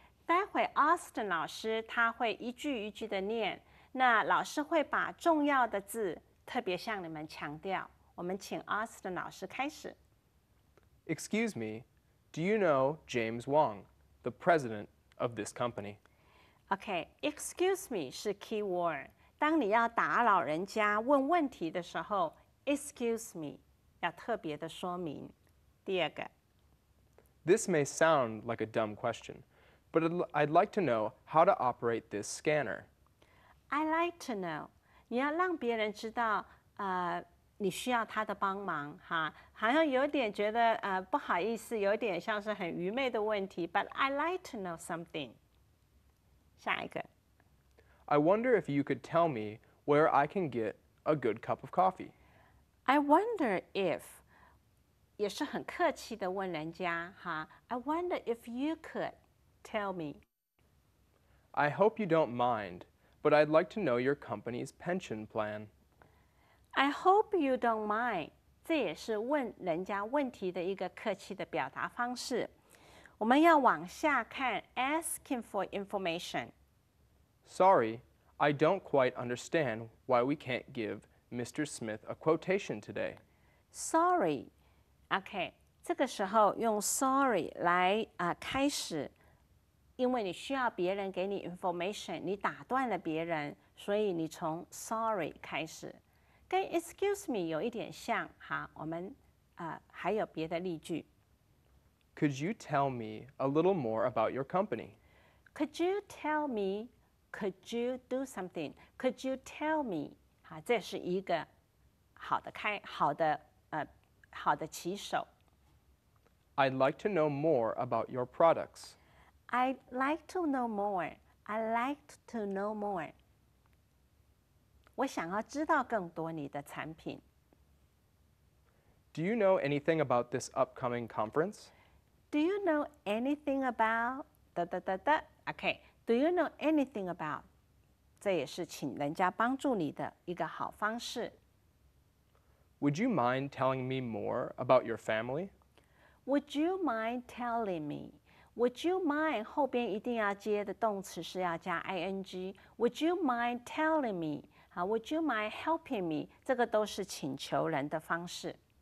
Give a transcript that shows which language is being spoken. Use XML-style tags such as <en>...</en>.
<zh>待会 Austin 老师他会一句一句的念，那老师会把重要的字特别向你们强调。我们请 Austin 老师开始。</zh> <en>Excuse me. Do you know James Wong, the president of this company?</en> <zh>Okay, excuse me 是 key word. 当你要打扰人家问问题的时候 excuse me 要特别的说明。第二个。</zh> <en>This may sound like a dumb question, but I'd like to know how to operate this scanner. I'd like to know.</en> <zh>你要让别人知道你需要他的帮忙哈，好像有点觉得不好意思，有点像是很愚昧的问题。</zh> <en>But I'd like to know something.</en> <zh>下一个。</zh> <en>I wonder if you could tell me where I can get a good cup of coffee.</en> <zh>I wonder if 也是很客气的问人家哈。</zh> <en>I wonder if you could tell me. I hope you don't mind, but I'd like to know your company's pension plan. I hope you don't mind.</en> <zh>这也是问人家问题的一个客气的表达方式。我们要往下看 asking for information.</zh> <en>Sorry, I don't quite understand why we can't give Mr. Smith a quotation today.</en> <zh>Sorry. Okay, 这个时候用 sorry 来开始，因为你需要别人给你 information, 你打断了别人，所以你从 sorry 开始。跟 excuse me 有一点像，好，我们还有别的例句。</zh> <en>Could you tell me a little more about your company? Could you tell me? Could you do something? Could you tell me?</en> <zh>好，这是一个好的起手。</zh> <en>I'd like to know more about your products. I'd like to know more. I'd like to know more.</en> <zh>我想要知道更多你的产品。</zh> <en>Do you know anything about this upcoming conference? Do you know anything about... Okay, do you know anything about...</en> <zh>这也是请人家帮助你的一个好方式。</zh> <en>Would you mind telling me more about your family? Would you mind telling me...</en> <zh>Would you mind, 后边一定要接的动词是要加 ing, would you mind telling me, would you mind helping me, 这个都是请求人的方式。</zh>